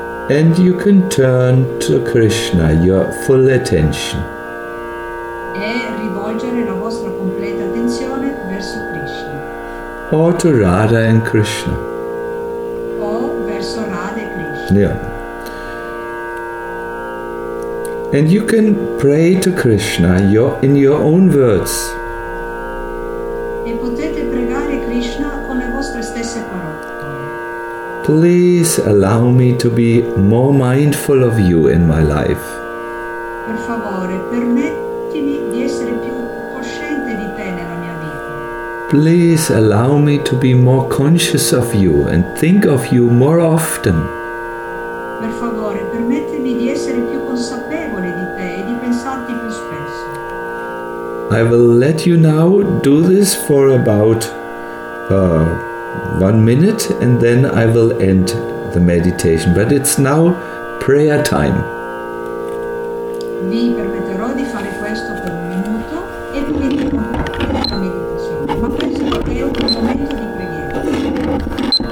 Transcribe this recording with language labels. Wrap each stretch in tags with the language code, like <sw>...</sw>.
<en>And you can turn to Krishna, your full attention.</en> <it>E rivolgere la vostra completa attenzione verso Krishna.</it> <en>Or to Radha and Krishna.</en> <it>O verso Radha e Krishna.</it> <en>Yeah. And you can pray to Krishna in your own words.</en> <it>E potete pregare Krishna con le vostre stesse parole.</it> <en>Please allow me to be more mindful of you in my life.</en> <it>Per favore, permettimi di essere più cosciente di te nella mia vita.</it> <en>Please allow me to be more conscious of you and think of you more often.</en> <it>Per favore, permettimi di essere più consapevole di te e di pensarti più spesso.</it> <en>I will let you now do this for about 1 minute and then I will end the meditation, but it's now prayer time.</en> <it>Vi permetterò di fare questo per un minuto e poi di fare la meditazione, ma penso che è un momento di preghiera.</it>